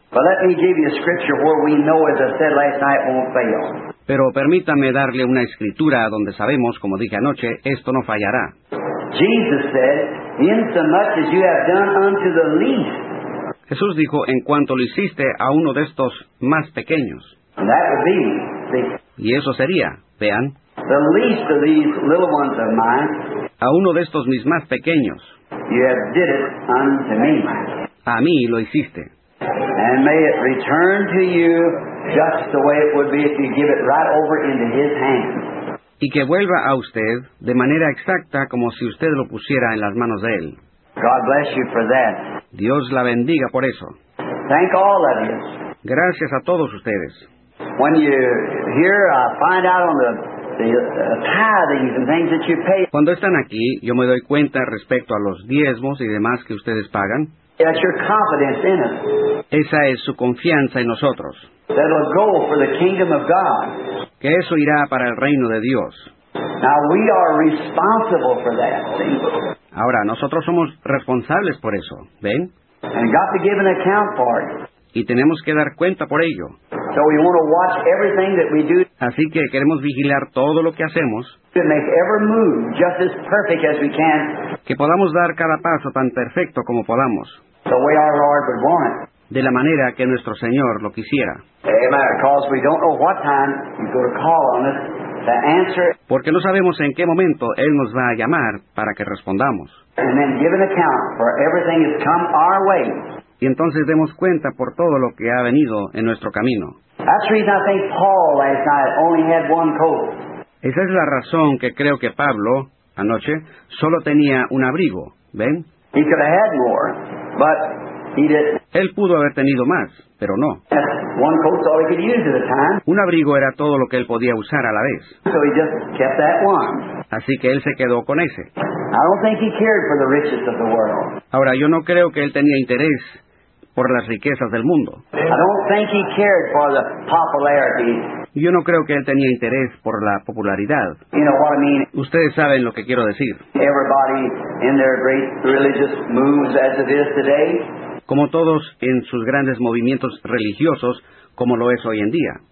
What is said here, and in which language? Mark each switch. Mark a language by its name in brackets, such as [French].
[English] But let me give you a scripture where we know, as I said last night, won't fail. [Spanish] Pero permítame darle una escritura donde sabemos, como dije anoche, esto no fallará. [English] Jesus said, "Inasmuch as you have done unto the least." [Spanish] Jesús dijo, "En cuanto lo hiciste a uno de estos más pequeños." [English] And that would be. [Spanish] Y eso sería, vean. [English] The least of these little ones of mine. [Spanish] A uno de estos mis más pequeños. [English] You have did it unto me. [Spanish] A mí lo hiciste. [English] And may it return to you just the way it would be if you give it right over into His hands. [Spanish] Y que vuelva a usted de manera exacta como si usted lo pusiera en las manos de Él. [English] God bless you for that. [Spanish] Dios la bendiga por eso. [English] Thank all of you. [Spanish] Gracias a todos ustedes. [English] When you here, I find out on the tithings and things that you pay. [Spanish] Cuando están aquí, yo me doy cuenta respecto a los diezmos y demás que ustedes pagan. [English] That's your confidence in us. [Spanish] Esa es su confianza en nosotros. [English] That'll go for the kingdom of God. [Spanish] Que eso irá para el reino de Dios. [English] Now we are responsible for that. See? [Spanish] Ahora nosotros somos responsables por eso. ¿Ven? [English] And got to give an account for it. [Spanish] Y tenemos que dar cuenta por ello. [English] So we want to watch everything that we do. [Spanish] Así que queremos vigilar todo lo que hacemos. [English] To make every move just as perfect as we can. [Spanish] Que podamos dar cada paso tan perfecto como podamos. [English] The way our Lord would want. [Spanish] De la manera que nuestro Señor lo quisiera. [English] Amen. Because we don't know what time He's going to call on us to answer. [Spanish] Porque no sabemos en qué momento Él nos va a llamar para que respondamos. [English] And then give an account for everything that's come our way. [Spanish] Y entonces demos cuenta por todo lo que ha venido en nuestro camino. [English] That's the reason I think Paul last night only had one coat. [Spanish] Esa es la razón que creo que Pablo, anoche, solo tenía un abrigo. ¿Ven? [English] He could have had more, but he didn't. [Spanish] Él pudo haber tenido más, pero no. [English] One coat's all he could use at a time. [Spanish] Un abrigo era todo lo que él podía usar a la vez. [English] So he just kept that one. [Spanish] Así que él se quedó con ese. [English] I don't think he cared for the riches of the world. [Spanish] Ahora, yo no creo que él tenía interés por las riquezas del mundo. [English] I don't think he cared for the popularity. [Spanish] Yo no creo que él tenía interés por la popularidad. [English] You know what I mean? [Spanish] Ustedes saben lo que quiero decir. [English] Everybody in their great religious moves as it is today. [Spanish] Como todos en sus grandes movimientos religiosos, como lo es hoy en día.